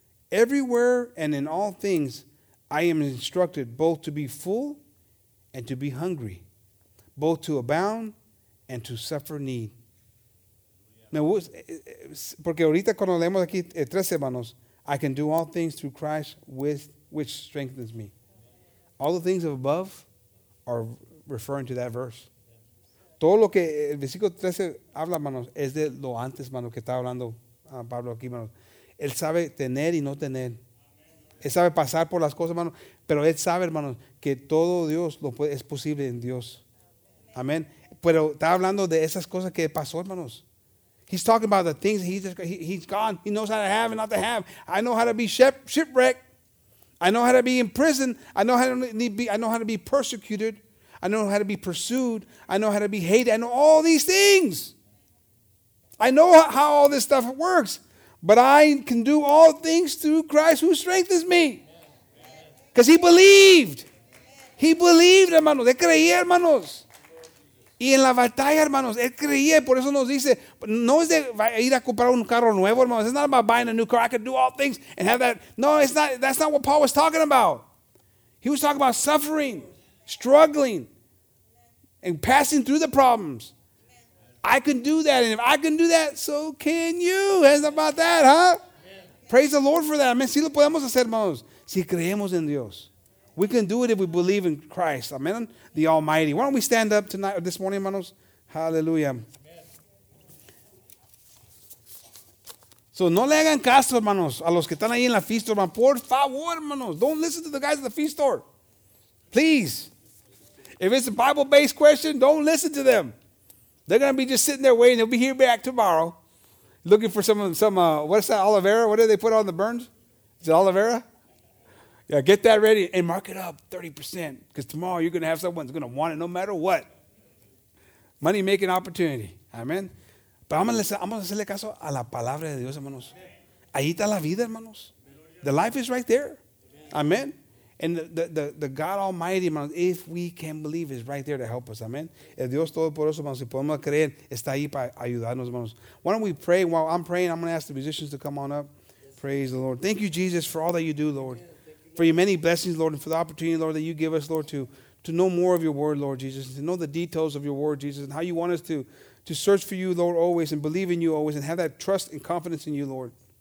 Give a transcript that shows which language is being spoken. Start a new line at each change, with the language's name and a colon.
English: Everywhere and in all things I am instructed both to be full and to be hungry, both to abound and to suffer need.
Spanish: Porque ahorita cuando leemos aquí tres hermanos,
English: I can do all things through Christ which strengthens me. All the things of above are referring to that verse.
Spanish: Todo lo que el versículo 13 habla, hermanos, es de lo antes, hermanos, que está hablando Pablo aquí, hermanos. Él sabe tener y no tener. Él sabe pasar por las cosas, hermanos. Pero él sabe, hermanos, que todo Dios lo puede, es posible en Dios. Amén. Pero está hablando de esas cosas que pasó, hermanos.
English: He's talking about the things he's gone. He knows how to have and not to have. I know how to be shipwrecked. I know how to be in prison. I know how to be persecuted. I know how to be pursued. I know how to be hated. I know all these things. I know how all this stuff works. But I can do all things through Christ who strengthens me. Because he believed. He believed, hermanos.
Spanish: Él creía, hermanos. Y en la batalla, hermanos, él creía. Por eso nos dice, no es de ir a comprar un carro nuevo, hermanos.
English: It's not about buying a new car. I can do all things and have that. No, it's not. That's not what Paul was talking about. He was talking about suffering, struggling, and passing through the problems. I can do that. And if I can do that, so can you. It's about that, huh? Amen. Praise the Lord for that. Amen.
Spanish: Si lo podemos hacer, hermanos. Si creemos en Dios.
English: We can do it if we believe in Christ. Amen. The Almighty. Why don't we stand up tonight, this morning, hermanos? Hallelujah. Amen.
Spanish: So no le hagan caso, hermanos, a los que están ahí en la feast store, hermanos. Por favor, hermanos.
English: Don't listen to the guys at the feast store. Please. If it's a Bible-based question, don't listen to them. They're going to be just sitting there waiting. They'll be here back tomorrow looking for some what's that, aloe vera? What do they put on the burns? Is it aloe vera? Yeah, get that ready and mark it up 30% because tomorrow you're going to have someone who's going to want it no matter what. Money making opportunity. Amen.
Spanish: Pero vamos a hacerle caso a la palabra de Dios, hermanos. Ahí está la vida, hermanos.
English: The life is right there.
Spanish: Amen.
English: And the God Almighty, hermanos, if we can believe, is right there to help us. Amen.
Spanish: El Dios Todopoderoso, hermanos, si podemos creer, está ahí para ayudarnos, hermanos.
English: Why don't we pray? While I'm praying, I'm going to ask the musicians to come on up. Praise the Lord. Thank you, Jesus, for all that you do, Lord. For your many blessings, Lord, and for the opportunity, Lord, that you give us, Lord, to know more of your word, Lord Jesus, and to know the details of your word, Jesus, and how you want us to search for you, Lord, always, and believe in you always, and have that trust and confidence in you, Lord.